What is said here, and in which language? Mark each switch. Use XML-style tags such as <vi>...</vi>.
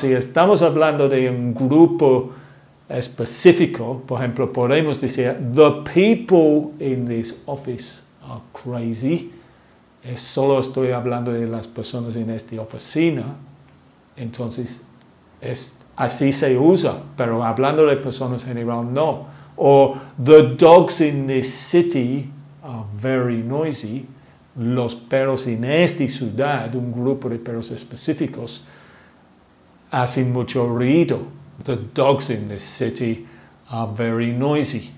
<es>Si estamos hablando de un grupo específico, por ejemplo, podemos decir</es> <en>the people in this office are crazy.</en> <es>Es solo estoy hablando de las personas en esta oficina. Entonces, así se usa, pero hablando de personas en general, no.</es> <en>O the dogs in this city are very noisy.</en> <es>Los perros en esta ciudad, un grupo de perros específicos, hacen mucho ruido.</es> <en>The dogs in this city are very noisy.</en>